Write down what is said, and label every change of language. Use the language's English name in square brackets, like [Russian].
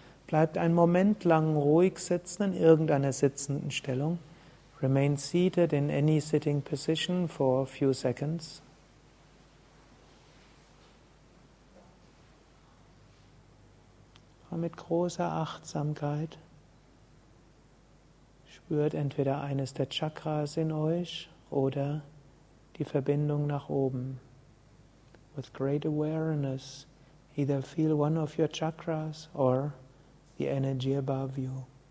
[German] Bleibt einen Moment lang ruhig sitzen in irgendeiner sitzenden Stellung. [English] Remain seated in any sitting position for a few seconds. [German] Und mit großer Achtsamkeit spürt entweder eines der Chakras in euch oder die Verbindung nach oben. [English] With great awareness, either feel one of your chakras or the energy above you.